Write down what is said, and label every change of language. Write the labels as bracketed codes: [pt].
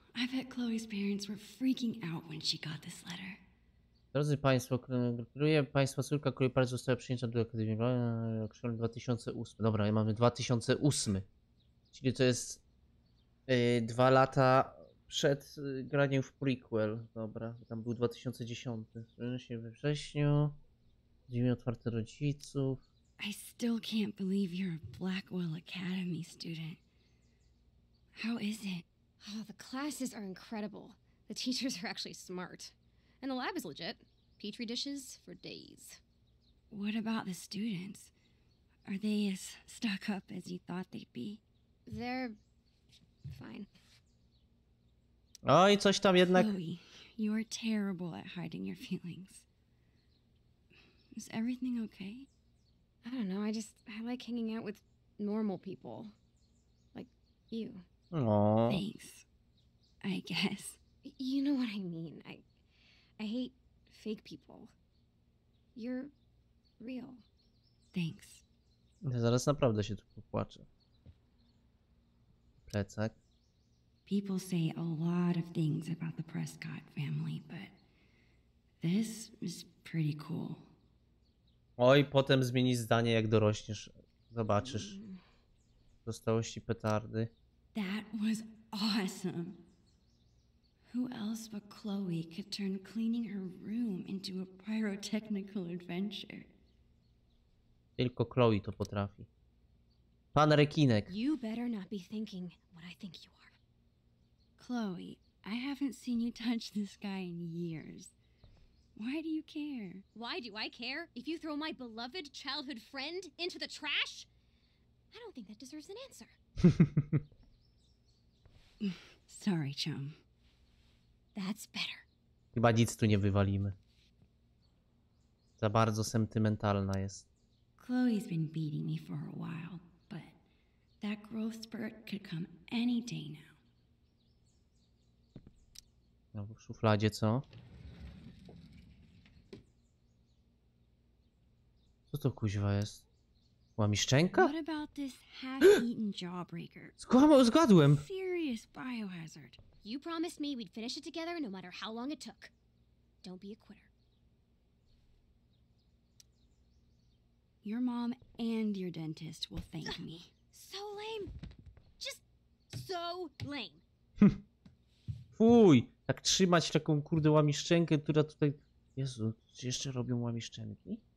[en] I bet Chloe's parents were freaking out when she got this letter. [pl] Drodzy Państwo, gratuluję Państwa córka, której parę została przyjęta do Akademii Rok 2008. Dobra, mamy 2008. Czyli to jest dwa lata przed graniem w prequel. Dobra, tam był 2010. We wrześniu. Dzień otwarty rodziców. [en] I still can't believe you're a Blackwell Academy student. How is it? Oh, the classes are incredible. The teachers are actually smart. And the lab is legit. Petri dishes for days. What about the students? Are they as stuck up as you thought they'd be? They're fine. [pl] Oj, coś tam jednak. [en] Chloe, you are terrible at hiding your feelings. Is everything okay? I don't know. I like hanging out with normal people, like you. Aww. Thanks. I guess. You know what I mean. I hate fake people. You're real. Thanks. [pl] Ja zaraz naprawdę się tu popłaczę. Plecak. [en] People say a lot of things about the Prescott family, but this is pretty cool. [pl] Oj, potem zmieni zdanie, jak dorośniesz. Zobaczysz. Zostałości petardy. [en] That was awesome. Who else but Chloe could turn cleaning her room into a pyrotechnical adventure? [pl] Tylko Chloe to potrafi. Pan rekinek. [en] You better not be thinking what I think you are. Chloe, I haven't seen you touch this guy in years. Why do you care? Why do I care? If you throw my beloved childhood friend into the trash? I don't think that deserves an answer. Sorry, chum. That's better. [pl] Chyba nic tu nie wywalimy. Za bardzo sentymentalna jest. [en] Chloe's been beating me for a while, but that growth spurt could come any day now. [pl] No w szufladzie, co? Co to kuźwa jest? Łamiszczenka? [en] What about this half-eaten jawbreaker? [pl] Zgadłem. [en] Serious biohazard. You promised me we'd finish it together no matter how long it took. Don't be a quitter. Your mom and your dentist will thank me. So lame. Just so lame. [pl] Fuj, jak trzymać taką kurde łamiszczenkę, która tutaj... Jezu, czy jeszcze robią łamiszczenki?